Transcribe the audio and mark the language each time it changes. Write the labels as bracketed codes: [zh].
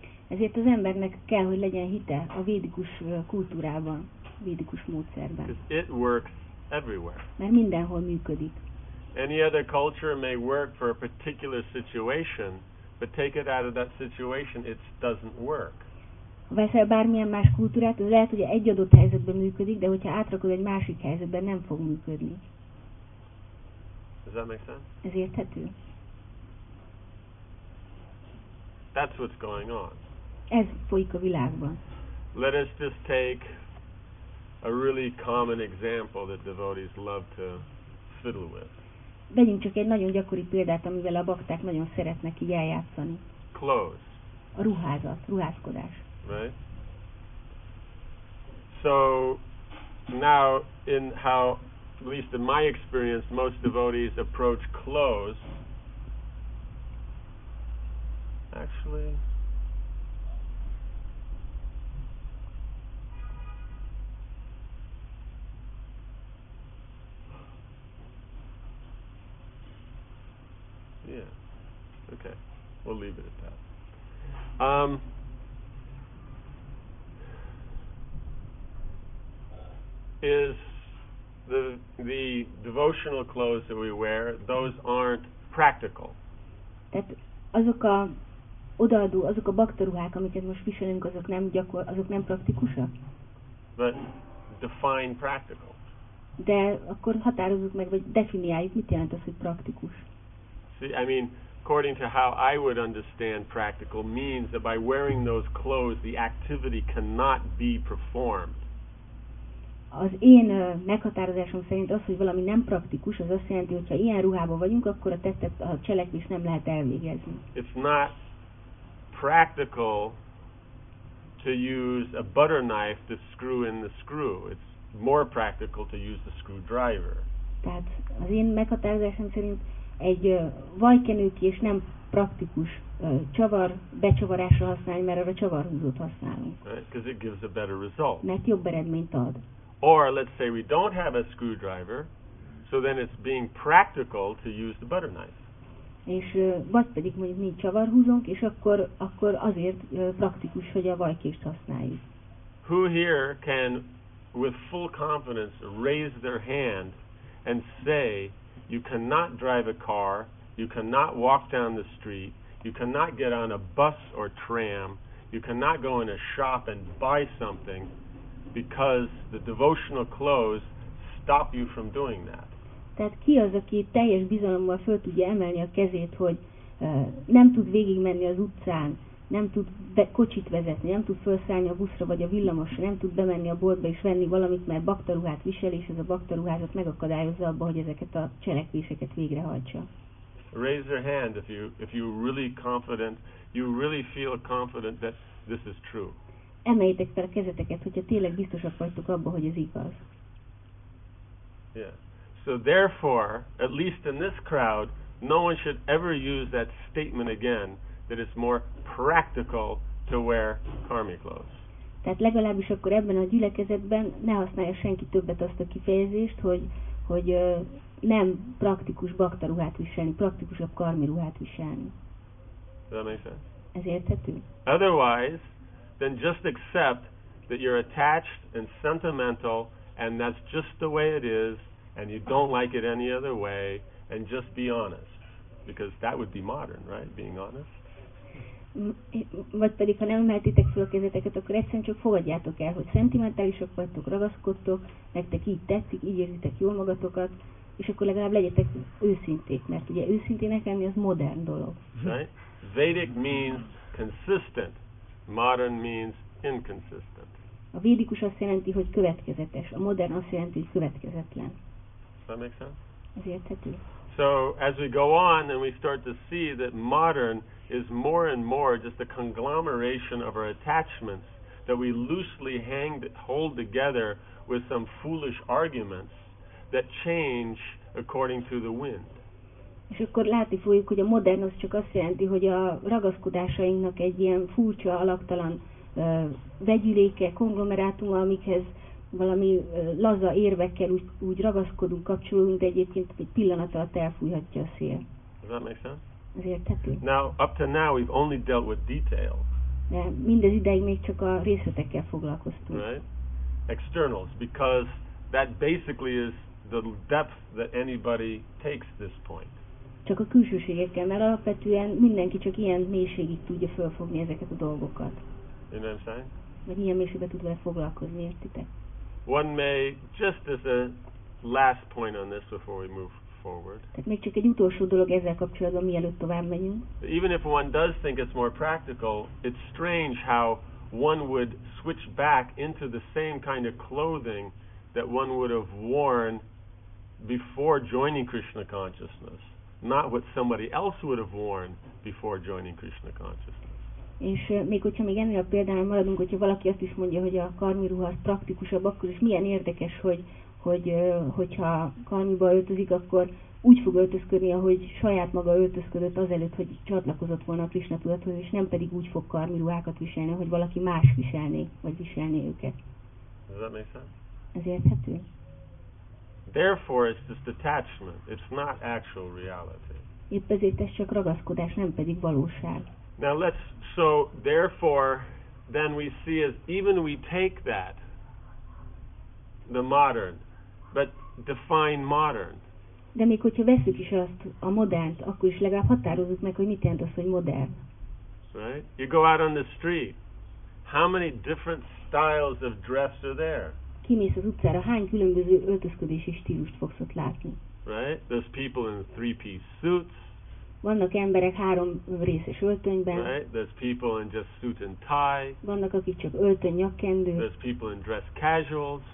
[hu] Ezért az embernek kell, hogy legyen hite a védikus kultúrában, védikus módszerben. [en] Because it works everywhere. [hu] Mert mindenhol működik. [en] Any other culture may work for a particular situation, but take it out of that situation, it doesn't work. [hu] Ha veszel bármilyen más kultúrát, az lehet, hogy egy adott helyzetben működik, de hogyha átrakod egy másik helyzetben, nem fog működni. [en] Does that make sense? [hu] Ez érthető? [en] That's what's going on. [hu] Ez folyik a világban. [en] Let us just take a really common example that devotees love to fiddle with. [hu] Vegyünk csak egy nagyon gyakori példát, amivel a bakták nagyon szeretnek így eljátszani. [en] Clothes. [hu] A ruházat, ruházkodás. [en] Right? So now in how, at least in my experience, most devotees approach clothes. Actually, Yeah. Okay. We'll leave it at that. Is the devotional clothes that we wear, those aren't practical. [hu] Tehát azok a odaadó, azok a baktaruhák, amiket most viselünk, azok nem gyakor, azok nem praktikusak. [en] But define practical. [hu] De akkor határozzuk meg, vagy definiáljuk, mit jelent az, hogy praktikus. [en] See, I mean, according to how I would understand practical means that by wearing those clothes, the activity cannot be performed. [hu] Az én meghatározásom szerint az, hogy valami nem praktikus, az azt jelenti, hogy ha ilyen ruhában vagyunk, akkor a tettet, a cselekvést nem lehet elvégezni. [en] It's not practical to use a butter knife to screw in the screw. It's more practical to use the screwdriver. [hu] Tehát az én meghatározásom szerint egy vajkenőkés nem praktikus csavar becsavarásra használni, mert arra csavarhúzót használunk. [en] Because it gives a better result. [hu] Mert jobb eredményt ad. [en] Or let's say we don't have a screwdriver, so then it's being practical to use the butter knife. [hu] És vagy pedig mondjuk nincs csavarhúzónk, és akkor azért praktikus, hogy a vajkést használjuk. [en] Who here can with full confidence raise their hand and say you cannot drive a car, you cannot walk down the street, you cannot get on a bus or tram, you cannot go in a shop and buy something because the devotional clothes stop you from doing that. [hu] Tehát ki az, aki teljes bizalommal föl tudja emelni a kezét, hogy nem tud végigmenni az utcán, nem tud kocsit vezetni, nem tud felszállni a buszra vagy a villamosra, nem tud bemenni a boltba és venni valamit, mert baktaruhát visel, és ez a baktaruházat megakadályozza abba, hogy ezeket a cselekvéseket végrehajtsa. [en] Raise your hand if you really confident, you really feel confident that this is true. [hu] Emeljétek fel a kezeteket, hogyha tényleg biztosak vagytok abban, hogy ez igaz. [en] Yeah. So therefore, at least in this crowd, no one should ever use that statement again that it's more practical to wear karmi clothes. [hu] Tehát legalábbis akkor ebben a gyülekezetben ne használja senki többet azt a kifejezést, hogy nem praktikus baktaruhát viselni, praktikusabb karmi ruhát viselni. [en] Does that make sense? [hu] Ez érthető? [en] Otherwise, then just accept that you're attached and sentimental and that's just the way it is and you don't like it any other way and just be honest. Because that would be modern, right? Being honest. [hu] Vagy pedig, ha nem emeltétek fel a kezeteket, akkor egyszerűen csak fogadjátok el, hogy szentimentálisok vagytok, ragaszkodtok, nektek így tetszik, így érzitek jól magatokat, és akkor legalább legyetek őszinték, mert ugye őszintének lenni az modern dolog. [en] Right? Vedic means consistent. Modern means inconsistent. [hu] A védikus azt jelenti, hogy következetes. A modern azt jelenti, hogy következetlen. [en] Does that make sense? [hu] Ez érthető. [en] So as we go on and we start to see that modern is more and more just a conglomeration of our attachments that we loosely hold together with some foolish arguments that change according to the wind. [hu] És akkor látni fogjuk, hogy a modern az csak azt jelenti, hogy a ragaszkodásainknak egy ilyen furcsa, alaptalan vegyüléke, konglomerátuma, amikhez valami laza érvekkel úgy ragaszkodunk, kapcsolódunk, de egyébként egy pillanat alatt elfújhatja a szél. [en] Does that make sense? [hu] Ez érthető. [en] Now, up to now we've only dealt with details. [hu] De mindez ideig még csak a részletekkel foglalkoztunk. [en] Right? Externals, because that basically is the depth that anybody takes this point. [hu] Csak a külsőségekkel, mert alapvetően mindenki csak ilyen mélységig tudja fölfogni ezeket a dolgokat. [en] You know what I'm saying? [hu] Vagy ilyen mélységbe tud vele foglalkozni, értitek? [en] One may, just as a last point on this before we move forward. [hu] Tehát még csak egy utolsó dolog ezzel kapcsolatban, mielőtt tovább megyünk. [en] Even if one does think it's more practical, it's strange how one would switch back into the same kind of clothing that one would have worn before joining Krishna consciousness, not what somebody else would have worn before joining Krishna consciousness. [hu] És még hogyha még ennél a példánál maradunk, hogyha valaki azt is mondja, hogy a karmi ruha praktikusabb, akkor is milyen érdekes, hogyha karmiba öltözik, akkor úgy fog öltözködni, ahogy saját maga öltözködött azelőtt, hogy csatlakozott volna a Krishna tudathoz, és nem pedig úgy fog karmi ruhákat viselni, hogy valaki más viselné, vagy viselné őket. [en] Does that make sense? [hu] Ezért [en] therefore, it's just attachment. It's not actual reality. [hu] Épp ezért ez csak ragaszkodás, nem pedig valóság. [en] Now let's, so therefore, then we see as even we take that, the modern, but define modern. [hu] De még hogyha veszük is azt a modernt, akkor is legalább határozzuk meg, hogy mit jelent az, hogy modern. [en] Right? You go out on the street. How many different styles of dress are there? [hu] Kimész az utcára, hány különböző öltözködési stílust fogsz ott látni? [en] Right? There's people in three-piece suits. [hu] Vannak emberek három részes öltönyben. [en] Right? There's people in just suit and tie. [hu] Vannak, akik csak öltön, nyakkendő. [en] There's people in dress casuals.